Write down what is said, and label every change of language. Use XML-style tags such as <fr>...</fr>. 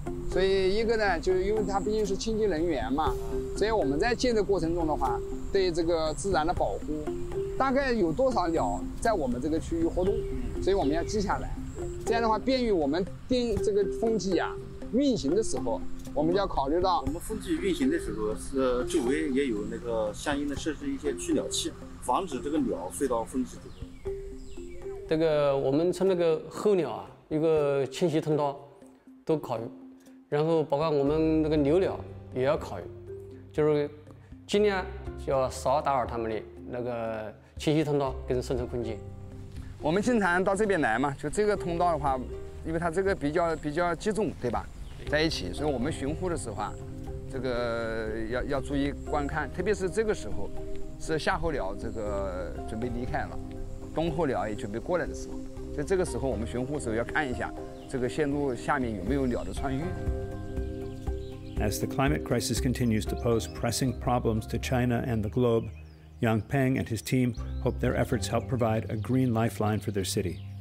<en>So, one is because it's because it's clean energy, so when we're building the process, we're protecting the nature. About how many birds are in this area, so we have to record it. This way, it helps us when we're building the wind turbines.</en> <zh>我们就要考虑到，我们风机运行的时候，周围也有那个相应的设置一些驱鸟器，防止这个鸟飞到风机中。这个我们从那个候鸟啊，一个迁徙通道都考虑，然后包括我们那个留鸟也要考虑，就是尽量就要少打扰他们的那个迁徙通道跟生存空间。我们经常到这边来嘛，就这个通道的话，因为它这个比较集中，对吧？在一起，所以我们巡护的时候啊，这个要注意观看，特别是这个时候，是夏候鸟这个准备离开了，冬候鸟也准备过来的时候，在这个时候我们巡护的时候要看一下，这个线路下面有没有鸟的穿越。</zh> <en>As the climate crisis continues to pose pressing problems to China and the globe, Yang Peng and his team hope their efforts help provide a green lifeline for their city.</en>